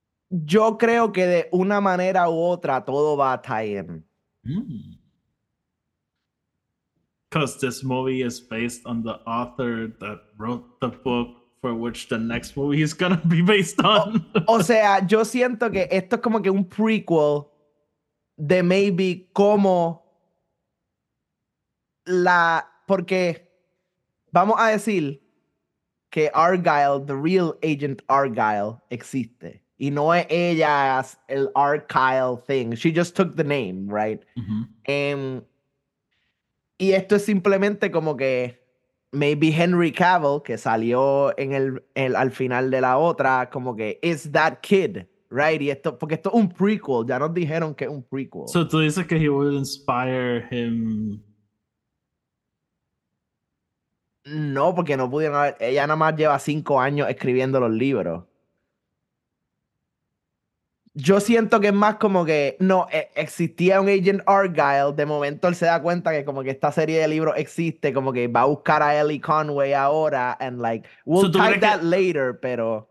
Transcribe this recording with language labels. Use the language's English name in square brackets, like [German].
[Spanish] Yo creo que de una manera u otra todo va a tie-in. [English] Because this movie is based on the author that wrote the book for which the next movie is going to be based on. [Spanish] O sea, yo siento que esto es como que un prequel de maybe como la... Porque vamos a decir que Argyle, [English] the real Agent Argyle, [Spanish] existe. Y no es ella [English] as el Argyle thing. She just took the name, right? [Spanish] Y esto es simplemente como que maybe Henry Cavill, que salió en el al final de la otra, como que [English] is that kid, right? [Spanish] Y esto, porque esto es un prequel. Ya nos dijeron que es un prequel. [English] So [Spanish] tú dices que [English] he would inspire him. [Spanish] No, porque no pudieron haber. Ella nada más lleva 5 años escribiendo los libros. Yo siento que es más como que, no, existía un Agent Argyle, de momento él se da cuenta que como que esta serie de libros existe, como que va a buscar a Ellie Conway ahora, [English] and like, we'll type that later, [Spanish] pero...